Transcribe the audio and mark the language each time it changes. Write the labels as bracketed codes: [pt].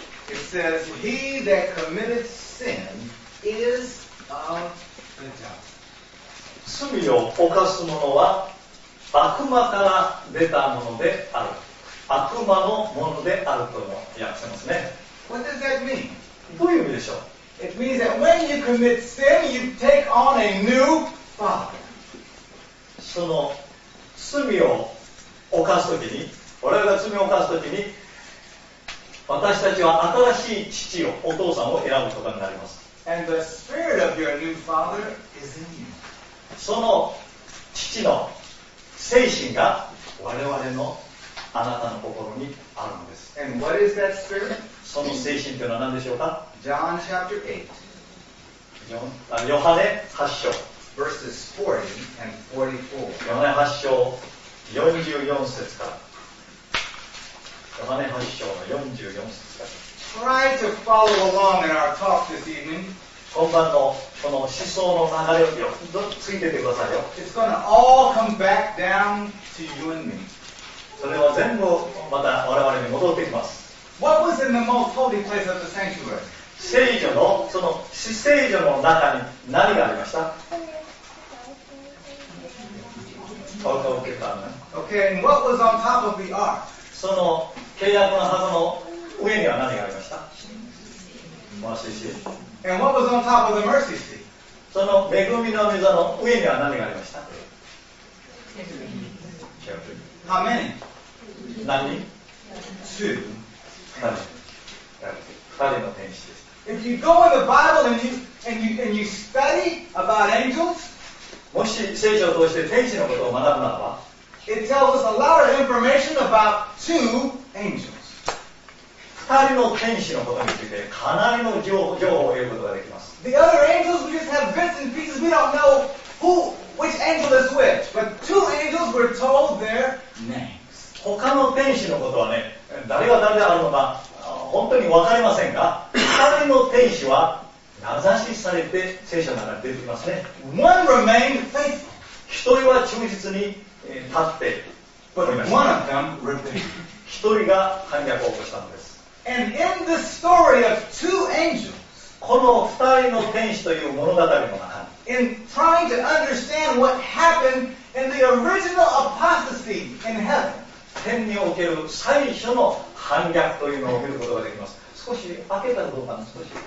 [en] It says, He that committed sin is of the devil. [ja] 罪を犯す者は悪魔から出たものである。悪魔のものであるとも訳せますね。 [en] What does that mean? [ja] どういう意味でしょう? [en] It means that when you commit sin, you take on a new father. [ja] その罪を犯すときに、我々が罪を犯すときに、私たちは新しい父を、お父さんを選ぶことになります。 [en] And the spirit of your new father is in you. [ja] その父の精神が我々のあなたの心にあるのです。 [en] And what is that spirit? [ja] その精神というのは何でしょうか? [en] John chapter 8. [ja] ヨハネ8章。 [en] Verses 40 and 44. [ja] ヨハネ8章44節から。ヨハネ8章44節から。 [en] Try to follow along in our talk this evening. [ja] 今晩のこの思想の流れをついててくださいよ。 [en] It's going to all come back down to you and me. [ja] それは全部また我々に戻ってきます。 [en] What was in the most holy place of the sanctuary? [ja] 聖女の、その死聖女の中に何がありました? [en] Okay, and what was on top of the ark? [ja] その契約の箱の上には何がありました? [en] Mercy seat. And what was on top of the mercy seat? [ja] その恵みの御座の上には何がありました? [en] Cherubim. How many? [ja] 何人? [en] Two. [ja] 二人の天使です。 [en] If you go in the Bible and you study about angels, [ja] もし聖書を通して天使のことを学ぶならば、 [en] It tells us a lot of information about two angels. [ja] 二人の天使のことについてかなりの情報を得ることができます。 [en] The other angels, we just have bits and pieces. We don't know which angel is which. But two angels were told their names. [ja] 他の天使のことはね、誰が誰であるのか本当にわかりませんが、二人の天使は名指しされて聖書の中に出てきますね。 [en] One remained faithful. [ja] 一人は忠実に立って、 [en] But one of them repented. [ja] 一人が反逆を起こしたんです。 [en] And in the story of two angels, [ja] この二人の天使という物語の中に、 [en] In trying to understand what happened in the original apostasy in heaven, [ja] 天における最初の反逆というのを見ることができます。少し開けたらどうかな、少し。